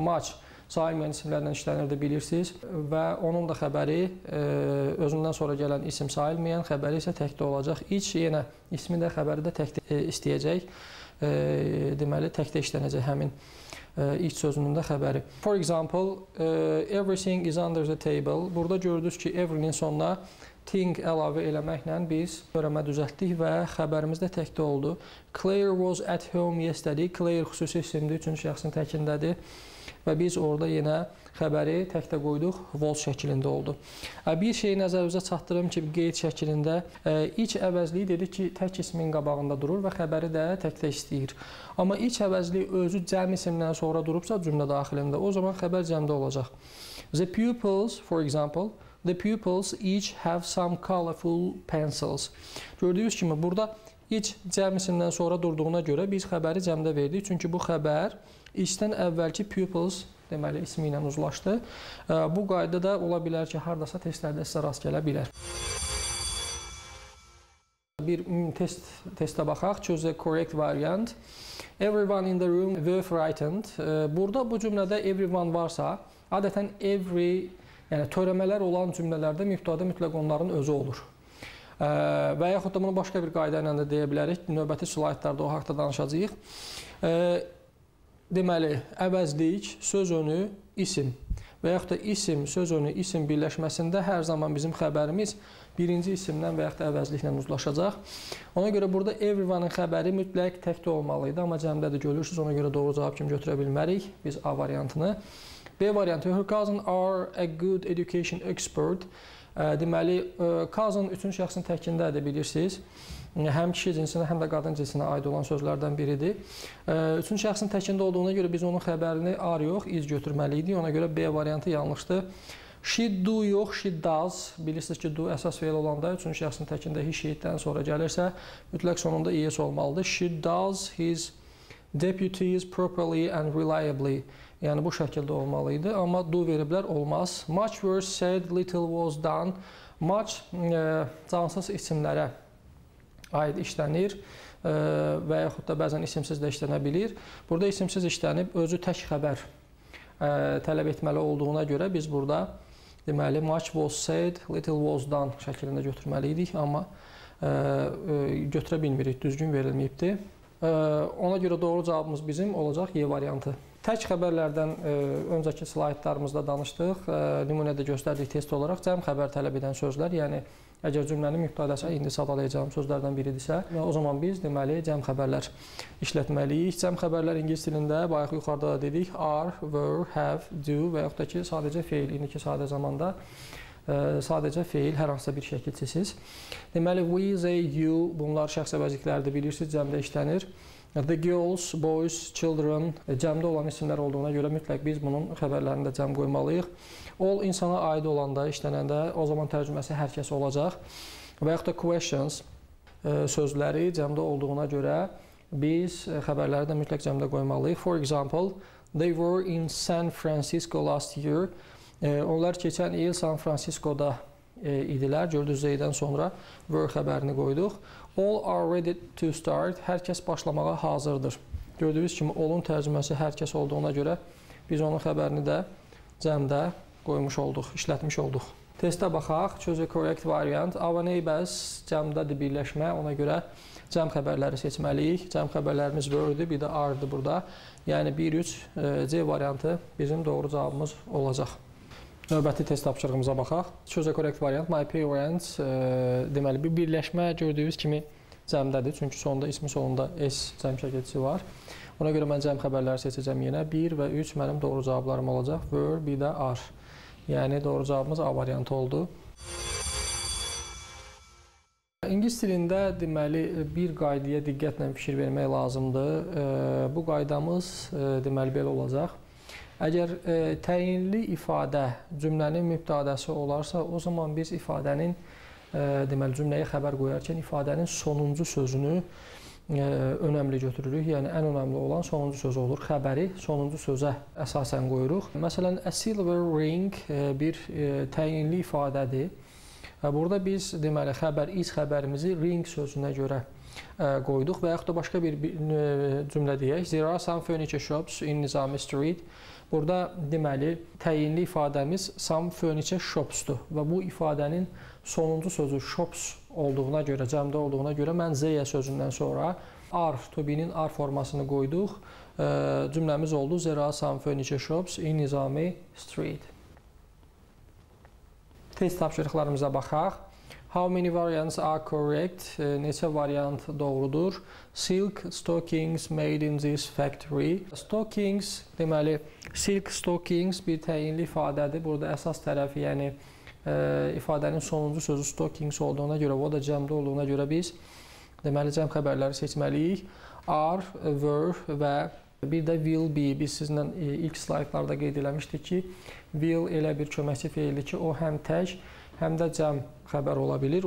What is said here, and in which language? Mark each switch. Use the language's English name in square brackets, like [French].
[Azerbaijani] Match sayılmayan isimlərdən işlənir də bilirsiniz və onun da xəbəri özündən sonra gələn isim sayılmayan xəbəri isə təkdə olacaq. İç yenə ismi də xəbəri də təkdə istəyəcək, deməli təkdə işlənəcək həmin iç sözünün də xəbəri. [English] For example, everything is under the table. [Azerbaijani] Burada gördünüz ki, every-nin sonuna thing əlavə eləməklə biz görəmə düzəltdik və xəbərimiz də təkdə oldu. [English] Claire was at home yesterday. [Azerbaijani] Claire xüsusi isimdir, üçüncü şəxsin təkindədir. Və biz orada yenə xəbəri təkdə qoyduq, was şəklində oldu. Bir şeyi nəzərinizə çatdırım ki, qeyd şəklində iç əvəzliyi dedik ki, tək ismin qabağında durur və xəbəri də təkdə istəyir. Amma iç əvəzliyi özü cəm isimdən sonra durubsa cümlə daxilində, o zaman xəbər cəmdə olacaq. [English] The pupils, for example, the pupils each have some colorful pencils. [Azerbaijani] Gördüyünüz kimi burada iç cəm isimdən sonra durduğuna görə biz xəbəri cəmdə verdik. Çünki bu xəbər İçdən əvvəlki pupils deməli ismi ilə uzlaşdı. Bu qayda da ola bilər ki, hardasa testlərdə sizə rast gələ bilər. Bir testə baxaq. [English] Choose the correct variant. Everyone in the room were frightened. [Azerbaijani] Burada bu cümlədə everyone varsa, adətən every, yəni törəmələr olan cümlələrdə mübtəda mütləq onların özü olur. Və yaxud da bunu başqa bir qayda ilə də deyə bilərik. Növbəti slaytlarda o haqda danışacağıq. Deməli, əvəzlik, söz önü, isim və yaxud da isim, söz önü, isim birləşməsində hər zaman bizim xəbərimiz birinci isimdən və yaxud da əvəzliklə uzlaşacaq. Ona görə burada everyone-ın xəbəri mütləq təkdə olmalıydı, amma cəmdə də görürsünüz, ona görə doğru cavab kimi götürə bilmərik biz A variantını. B variantı, [English] her cousin are a good education expert. [Azerbaijani] Deməli, cousin üçün şəxsin təkindədir, bilirsiniz. Həm kişi cinsinə, həm də qadın cinsinə aid olan sözlərdən biridir. Üçün şəxsin təkində olduğuna görə biz onun xəbərini ar yox, iz götürməliydik. Ona görə B variantı yanlışdır. [English] She do [Azerbaijani] yox, [English] she does. [Azerbaijani] Bilirsiniz ki, do əsas fəil olanda üçün şəxsin təkində his şeyddən sonra gəlirsə, mütləq sonunda es olmalıdır. [English] She does his deputies properly and reliably. [Azerbaijani] Yəni, bu şəkildə olmalıydı. Amma do veriblər olmaz. [English] Much worse said, little was done. [Azerbaijani] Much cansız isimlərə aid işlənir və yaxud da bəzən isimsiz də işlənə bilir. Burada isimsiz işlənib, özü tək xəbər tələb etməli olduğuna görə biz burada deməli, [English] much was said, little was done [Azerbaijani] şəkilində götürməliydik, amma götürə bilmirik, düzgün verilməyibdir. Ona görə doğru cavabımız bizim olacaq Y variantı. Tək xəbərlərdən öncəki slaytlarımızda danışdıq, nümunədə göstərdik test olaraq cəm xəbər tələb edən sözlər, yəni əgər cümlənin mübtədəsi indi sadalayacağım sözlərdən biridirsə, o zaman biz deməli cəm xəbərlər işlətməliyik. Cəm xəbərlər ingilis dilində bayaq yuxarıda da dedik, are, were, have, do və yaxud da ki, sadəcə fail, indiki sadə zamanda sadəcə fail, hər hansısa bir şəkilçisiz. Deməli, we, they, you, bunlar şəxs əvəzliklərdir, bilirsiniz, cəmdə işlənir. The girls, boys, children, cəmdə olan isimlər olduğuna görə mütləq biz bunun xəbərlərini də cəm qoymalıyıq. All insana aid olanda, işlənəndə o zaman tərcüməsi hər kəs olacaq. Və yaxud da questions sözləri cəmdə olduğuna görə biz xəbərləri də mütləq cəmdə qoymalıyıq. [English] For example, they were in San Francisco last year. [Azerbaijani] Onlar keçən il San Francisco'da idilər. Gördüyünüz zeydən sonra were xəbərini qoyduq. [English] All are ready to start. [Azerbaijani] Hər kəs başlamağa hazırdır. Gördüyünüz kimi all-un tərcüməsi hər kəs olduğuna görə biz onun xəbərini də cəmdə qoymuş olduq, işlətmiş olduq. Testə baxaq. [English] Choose a correct variant. Our neighbors [Azerbaijani] cəmdədir birləşmə. Ona görə cəm xəbərləri seçməliyik. Cəm xəbərlərimiz were-dir, bir də are-dir burada. Yəni 1-3 C variantı bizim doğru cavabımız olacaq. Növbəti test tapşırığımıza baxaq. [English] Choose a correct variant. [Azerbaijani] My parents, deməli, bir birləşmə gördüyünüz kimi cəmdədir. Çünki sonunda ismi sonunda S cəm şəkilçisi var. Ona görə mən cəm xəbərləri seçəcəm yenə. 1 və 3 mənim doğru cavablarım olacaq. Were, bir də are. Yəni, doğru cavabımız A variantı oldu. İngilis dilində, deməli, bir qaydaya diqqətlə fikir vermək lazımdır. Bu qaydamız, deməli, belə olacaq. Əgər təyinli ifadə cümlənin mübtədəsi olarsa, o zaman biz ifadənin, deməli cümləyə xəbər qoyarkən ifadənin sonuncu sözünü önəmli götürürük. Yəni, ən önəmli olan sonuncu söz olur. Xəbəri sonuncu sözə əsasən qoyuruq. Məsələn, a silver ring bir təyinli ifadədir. Burada biz, deməli, xəbər, iz xəbərimizi ring sözünə görə qoyduq və yaxud da başqa bir cümlə deyək. [English] There are some furniture shops in Nizami Street. [Azerbaijani] Burada, deməli, təyinli ifadəmiz some furniture shops-dur. Və bu ifadənin sonuncu sözü shops olduğuna görə, cəmdə olduğuna görə mən zəyə sözündən sonra R, to be-nin R formasını qoyduq. Cümləmiz oldu. [English] There are some furniture shops in Nizami Street. [Azerbaijani] Test tapşırıqlarımıza baxaq. [English] How many variants are correct? [Azerbaijani] Neçə variant doğrudur? [English] Silk stockings made in this factory. [Azerbaijani] Stockings, deməli, silk stockings bir təyinli ifadədir. Burada əsas tərəfi, yəni ifadənin sonuncu sözü stockings olduğuna görə, o da cəmdə olduğuna görə biz, deməli, cəm xəbərləri seçməliyik. Are, were və bir də will be. Biz sizinlə ilk slaytlarda qeyd eləmişdik ki, will elə bir köməkçi feildir ki, o həm tək, həm də cəm xəbər ola bilir.